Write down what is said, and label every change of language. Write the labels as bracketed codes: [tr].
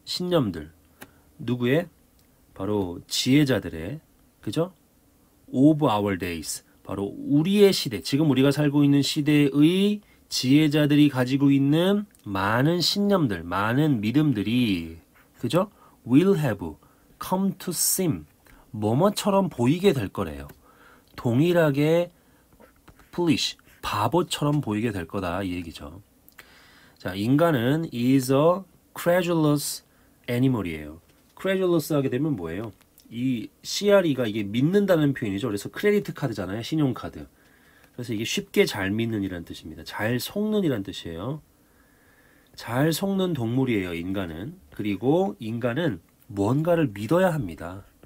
[ko] 신념들. 누구의? 바로 지혜자들의. 그죠? [en] Of our days, [ko] 바로 우리의 시대, 지금 우리가 살고 있는 시대의 지혜자들이 가지고 있는 많은 신념들, 많은 믿음들이, 그죠? [en] Will have come to seem [ko] 뭐뭐처럼 보이게 될 거래요. 동일하게 foolish, 바보처럼 보이게 될 거다 이 얘기죠. 자, 인간은 [en] is a credulous animal이에요. [ko] credulous 하게 되면 뭐예요? 이 CRE가 이게 믿는다는 표현이죠. 그래서 크레딧 카드잖아요. 신용카드. 그래서 이게 쉽게 잘 믿는 이란 뜻입니다. 잘 속는 이란 뜻이에요. 잘 속는 동물이에요, 인간은. 그리고 인간은 뭔가를 믿어야 합니다.